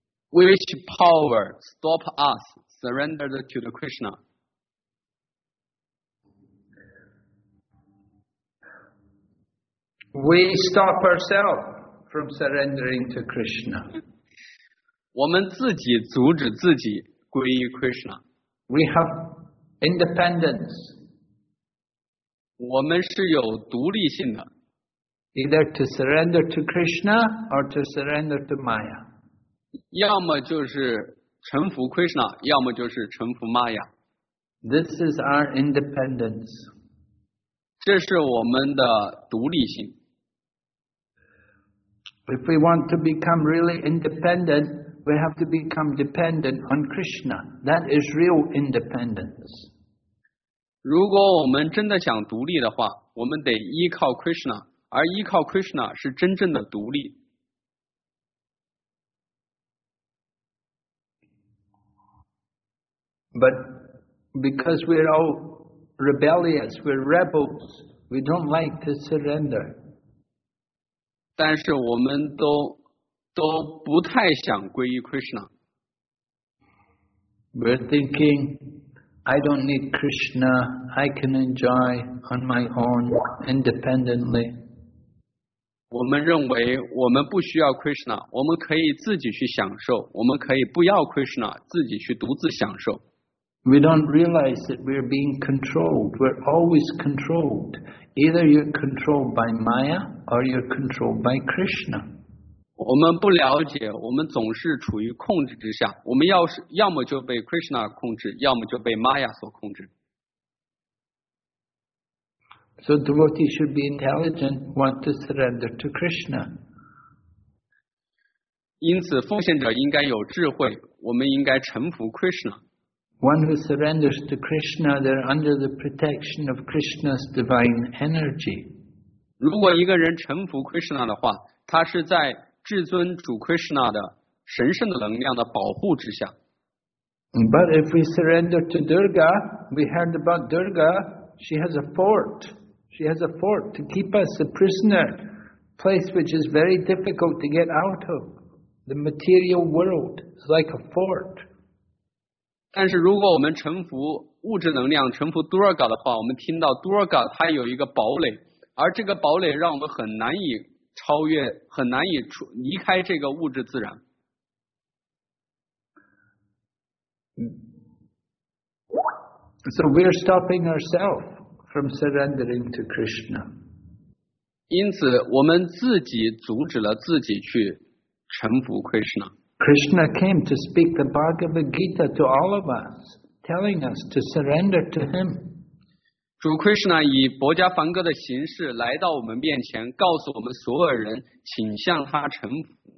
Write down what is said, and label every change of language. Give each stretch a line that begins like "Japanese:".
English: Which power stop us surrender to the Krishna? We stop ourselves from surrendering to Krishna.
Chinese: 我们自己阻止自己皈依 Krishna.
English: We have independence.
Chinese: 我们是有独立性的。
English: Either to surrender to Krishna or to surrender to Maya.
Chinese: 要么就是臣服 Krishna， 要么就是臣服 Maya。
English: This is our independence.
Chinese: 这是我们的独立性。
English: If we want to become really independent, we have to become dependent on Krishna. That is real independence.
Chinese: 如果我们真的想独立的话，我们得依靠 Krishna， 而依靠 Krishna 是真正的独立。
English: But because we're all rebellious, we're rebels, we don't like to surrender.
Chinese: 但是我们都不太想皈依 Krishna.
English: We're thinking, I don't need Krishna, I can enjoy on my own, independently.
Chinese: 我们认为我们不需要 Krishna, 我们可以自己去享受，我们可以不要 Krishna, 自己去独自享受。
English: We don't realize that we're being controlled. We're always controlled. Either you're controlled by Maya or you're controlled by Krishna.
Chinese: 我们不了解，我们总是处于控制之下。我们要么就被 Krishna 控制，要么就被 Maya 所控制。
English: So devotees should be intelligent, want to surrender to Krishna.
Chinese: 因此奉献者应该有智慧，我们应该臣服 Krishna。
English: One who surrenders to Krishna, they're under the protection of Krishna's divine energy.
Chinese: 如果一个人臣服 Krishna 的话，他是在至尊主 Krishna 的神圣的能量的保护之下。
English: But if we surrender to Durga, we heard about Durga, she has a fort. She has a fort to keep us a prisoner, place which is very difficult to get out of. The material world is like a fort.
Chinese: 但是如果我们臣服物质能量，臣服 Durga 的话，我们听到 Durga 它有一个堡垒，而这个堡垒让我们很难以超越，很难以离开这个物质自然。
English: So we are stopping ourselves from surrendering to Krishna.
Chinese: 因此，我们自己阻止了自己去臣服 Krishna.
English: Krishna came to speak the Bhagavad Gita to all of us, telling us to surrender to Him.
Chinese: 主 Krishna 以薄伽梵歌的形式来到我们面前，告诉我们所有人，请向他臣服。